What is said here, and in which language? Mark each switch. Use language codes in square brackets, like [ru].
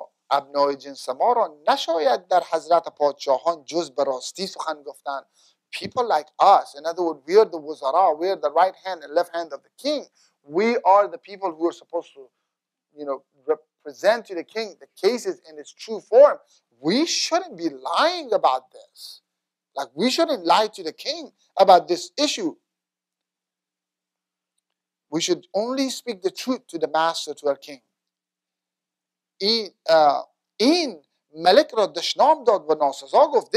[fa] ابنای جنس ما را نشاید در حضرت پادشاهان جز به راستی سخن گفتن. [en] People like us, in other words, we are the wuzara, we are the right hand and left hand of the king. We are the people who are supposed to, you know, represent to the king the cases in its true form. We shouldn't be lying about this. Like, we shouldn't lie to the king about this issue. We should only speak the truth to the master, to our king. [fa] این ملک را دشنام داد و ناسزا گفت.